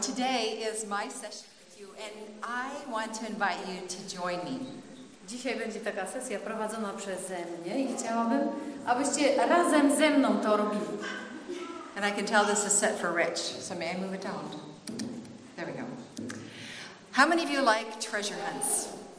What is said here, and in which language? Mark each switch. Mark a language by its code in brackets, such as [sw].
[en] Today is my session with you and I want to invite you to join me. [pl] Dzisiaj będzie taka sesja prowadzona przeze mnie i chciałabym, abyście razem ze mną to robili. [en] And I can tell this is set for Rich, so may I move it down? There we go. How many of you like treasure hunts?